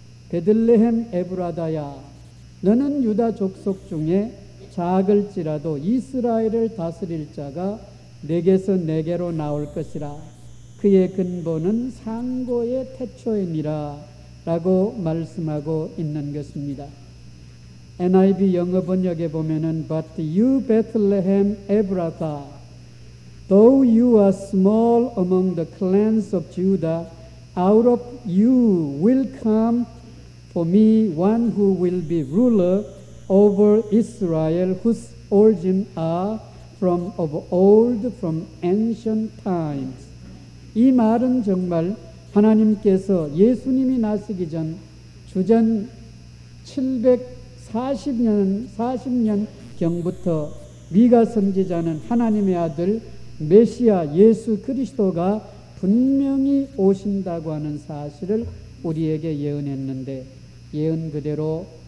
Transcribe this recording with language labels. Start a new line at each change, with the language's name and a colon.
Korean: 베들레헴 에브라다야, 너는 유다 족속 중에 작을지라도 이스라엘을 다스릴 자가 내게서 내게로 나올 것이라. 그의 근본은 상고의 태초이니라 라고 말씀하고 있는 것입니다. NIV 영어 번역에 보면은
English: But you Bethlehem Ephrathah, though you are small among the clans of Judah, out of you will come for me one who will be ruler over Israel, whose origin are from of old, from ancient times.
Korean: 이 말은 정말 하나님께서 예수님이 나시기 전 주전 740년 경부터 미가 선지자는 하나님의 아들 메시아 예수 그리스도가 분명히 오신다고 하는 사실을 우리에게 예언했는데 예언 그대로